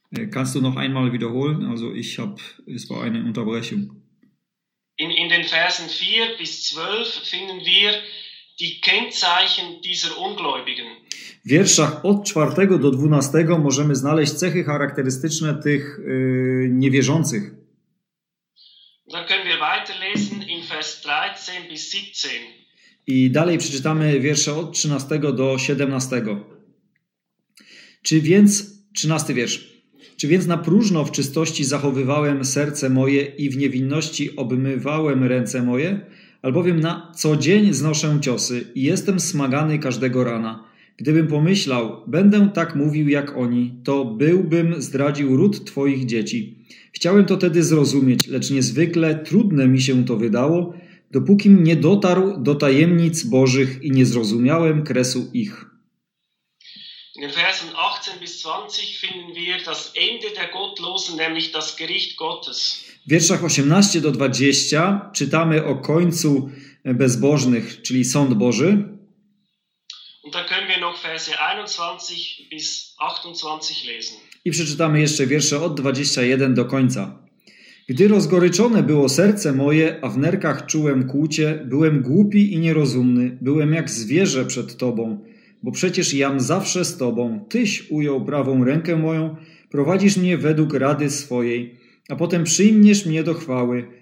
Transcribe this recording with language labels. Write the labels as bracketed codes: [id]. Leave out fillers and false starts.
[de] Kannst du noch einmal wiederholen? Also es war eine Unterbrechung. In den Versen 4 bis 12 finden wir die Kennzeichen dieser Ungläubigen. [pl] W wierszach od 4 do 12 możemy znaleźć cechy charakterystyczne tych niewierzących. [de] Dann können wir weiterlesen in Vers 13 bis 17. [pl] I dalej przeczytamy wiersze od 13 do 17. Czy więc na próżno w czystości zachowywałem serce moje i w niewinności obmywałem ręce moje? Albowiem na co dzień znoszę ciosy i jestem smagany każdego rana. Gdybym pomyślał, będę tak mówił jak oni, to byłbym zdradził ród twoich dzieci. Chciałem to tedy zrozumieć, lecz niezwykle trudne mi się to wydało, dopóki nie dotarł do tajemnic Bożych i nie zrozumiałem kresu ich. [de] In Versen 18 bis 20 finden wir das Ende der Gottlosen, nämlich das Gericht Gottes. [pl] W wierszach 18 do 20 czytamy o końcu bezbożnych, czyli sąd Boży. [de] Und da können wir noch Verse 21 bis 28 lesen. [pl] I przeczytamy jeszcze wiersze od 21 do końca. Gdy rozgoryczone było serce moje, a w nerkach czułem kłucie, byłem głupi i nierozumny, byłem jak zwierzę przed Tobą, bo przecież jam zawsze z Tobą, Tyś ujął prawą rękę moją, prowadzisz mnie według rady swojej, a potem przyjmiesz mnie do chwały.